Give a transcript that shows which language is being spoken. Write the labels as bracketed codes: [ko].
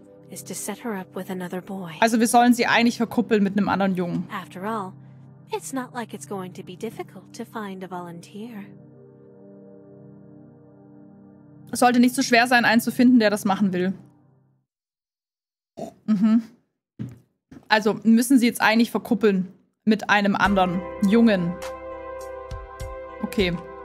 [de] Also wir sollen sie eigentlich verkuppeln mit einem anderen Jungen. [en] It's not like it's going to be difficult to find a volunteer. [de] Es sollte nicht so schwer sein, einen zu finden, der das machen will. Mhm. Also müssen sie jetzt eigentlich verkuppeln mit einem anderen Jungen. Okay.